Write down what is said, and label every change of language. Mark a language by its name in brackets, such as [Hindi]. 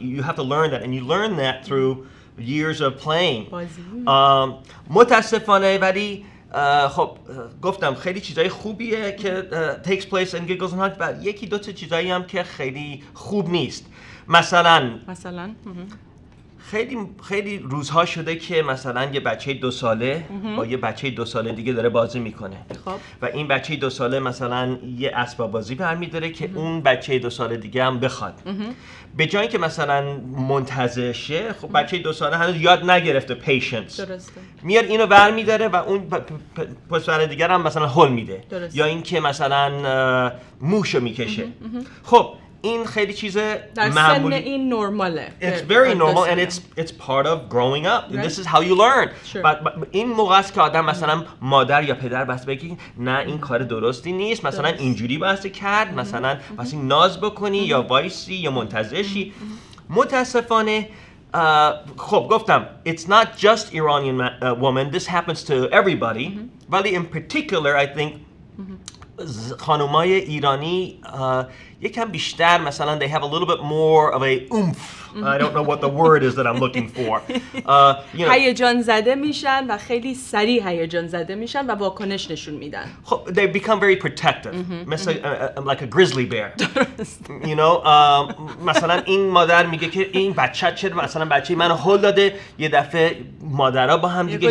[English] You have to learn that, and you learn that through years of playing. [Persian] متاسفانه ولی خب گفتم خیلی چیزای خوبیه که [English] takes place in Giggles and Hugs, but [Persian] یکی دو تا چیزایی هم که خیلی خوب نیست. مثلا خیلی خیلی روزها شده که مثلا یه بچه دو ساله با یه بچه دو ساله دیگه داره بازی میکنه و این بچه دو ساله مثلا یه اسباب بازی برمیداره که اون بچه دو ساله دیگه هم بخواد. به جای اینکه مثلا منتظر شه، خب بچه دو ساله هنوز یاد نگرفته patience، درسته، میاد اینو برمیداره و اون پسر دیگر هم مثلا هول میده، درسته، یا اینکه مثلا موشو میکشه. خب این خیلی چیز معمولی. سن این نرماله. [English] It's very normal and it's part of growing up. Right. This is how you learn. Sure. [Persian] But این موقعی که آدم مثلا مادر یا پدر واسه بگی نه این کار درستی نیست، مثلا اینجوری واسه کرد، مثلا واسه ناز بکنی یا وایسی یا منتظرشی. متاسفانه خب گفتم [English] it's not just Iranian woman, this happens to everybody. ولی in particular I think [Persian] خانومای ایرانی یکم بیشتر مثلا [English] they have a little bit more of a oomph. I don't know what the word is that I'm looking for. [Persian] هیجان زده میشن و خیلی سریع هیجان زده میشن و واکنش نشون میدن. [English] خب they become very protective. مثلا like a grizzly bear. [Persian] درست. [English] You know, [Persian] مثلا این مادر میگه که این بچه چرا مثلا بچه منو هول داده، یه دفعه مادرها با هم دیگه